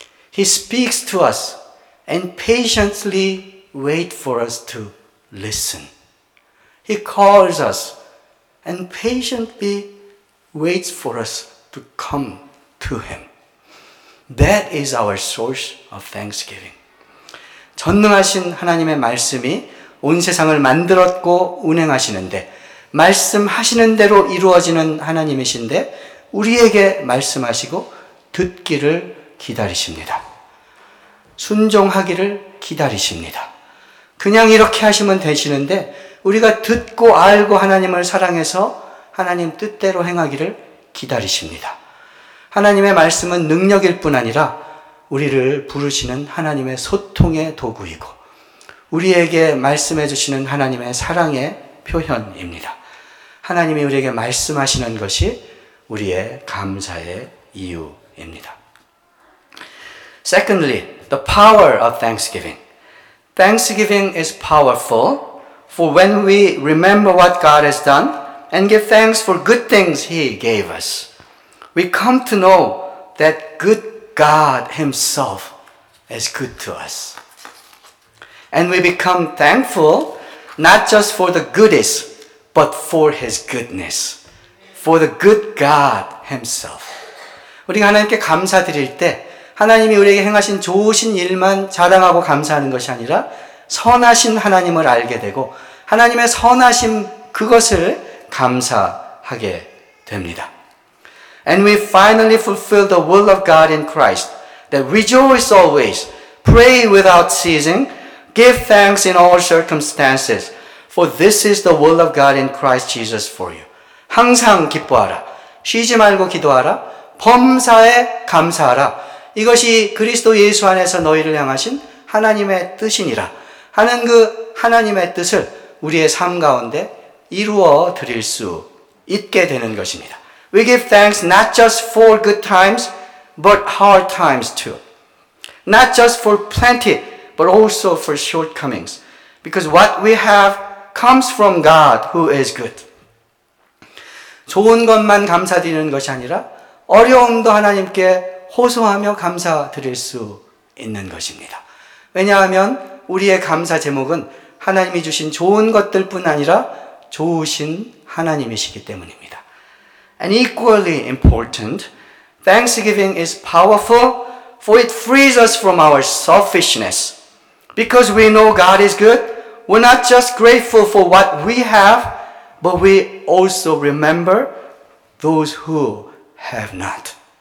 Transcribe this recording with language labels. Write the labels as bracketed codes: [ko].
[en] He speaks to us and patiently waits for us to listen. He calls us and patiently waits for us to come to him. That is our source of thanksgiving. [ko] 전능하신 하나님의 말씀이 온 세상을 만들었고 운행하시는데 말씀하시는 대로 이루어지는 하나님이신데 우리에게 말씀하시고 듣기를 기다리십니다. 순종하기를 기다리십니다. 그냥 이렇게 하시면 되시는데 우리가 듣고 알고 하나님을 사랑해서 하나님 뜻대로 행하기를 기다리십니다. 하나님의 말씀은 능력일 뿐 아니라 우리를 부르시는 하나님의 소통의 도구이고 우리에게 말씀해 주시는 하나님의 사랑의 표현입니다. 하나님이 우리에게 말씀하시는 것이 우리의 감사의 이유입니다. [en] Secondly, the power of thanksgiving. Thanksgiving is powerful, for when we remember what God has done and give thanks for good things he gave us, we come to know that good God himself is good to us. And we become thankful not just for the goodies, but for his goodness, for the good God himself. [ko] 우리가 하나님께 감사드릴 때 하나님이 우리에게 행하신 좋으신 일만 자랑하고 감사하는 것이 아니라 선하신 하나님을 알게 되고 하나님의 선하심 그것을 감사하게 됩니다. [en] And we finally fulfill the will of God in Christ, that rejoice always, pray without ceasing, give thanks in all circumstances, for this is the will of God in Christ Jesus for you. [ko] 항상 기뻐하라, 쉬지 말고 기도하라, 범사에 감사하라. 이것이 그리스도 예수 안에서 너희를 향하신 하나님의 뜻이니라 하는 그 하나님의 뜻을 우리의 삶 가운데 이루어 드릴 수 있게 되는 것입니다. [en] We give thanks not just for good times, but hard times too. Not just for plenty, but also for shortcomings. Because what we have comes from God who is good. [ko] 좋은 것만 감사드리는 것이 아니라 어려움도 하나님께 호소하며 감사드릴 수 있는 것입니다. 왜냐하면 우리의 감사 제목은 하나님이 주신 좋은 것들뿐 아니라 좋으신 하나님이시기 때문입니다. [en] And equally important, thanksgiving is powerful, for it frees us from our selfishness. Because we know God is good, we're not just grateful for what we have, but we also remember those who have not.